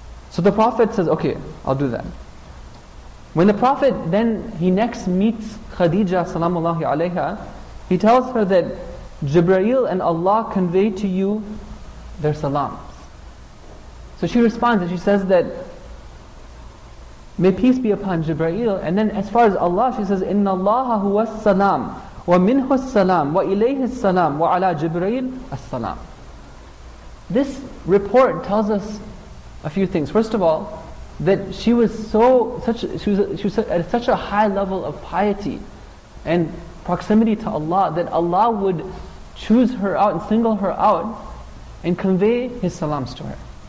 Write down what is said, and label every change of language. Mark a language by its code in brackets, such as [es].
[en] So the Prophet says, okay, I'll do that. When the Prophet then, he next meets Khadija salamullahi alayha, he tells her that Jibreel and Allah convey to you their salams. So she responds and she says that, may peace be upon Jibreel. And then as far as Allah, she says, [ar] إِنَّ اللَّهَ هُوَ السَّلَامُ وَمِنْهُ السَّلَامُ وَإِلَيْهِ السَّلَامُ وَعَلَى جِبْرَيْلِ السَّلَامُ. [en] This report tells us a few things. First of all, that she was at such a high level of piety and proximity to Allah that Allah would choose her out and single her out and convey His salams to her.